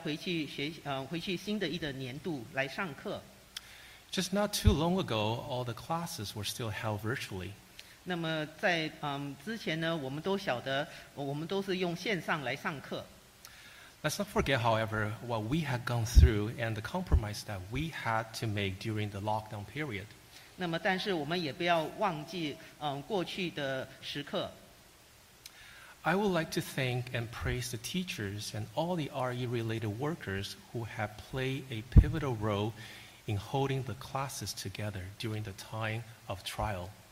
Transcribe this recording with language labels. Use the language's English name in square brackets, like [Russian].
[Chinese] 那么我们现在看到老师们以及学生们大家都开始准备要回去新的一年度来上课。 [English] Just not too long ago, all the classes were still held virtually. [Chinese] 那么在之前呢，我们都晓得，我们都是用线上来上课。 [English] Let's not forget, however, what we had gone through and the compromise that we had to make during the lockdown period. [Chinese] 那么但是我们也不要忘记, 过去的时刻。 [English] I would like to thank and praise the teachers and all the RE-related workers who have played a pivotal role in holding the classes together during the time of trial.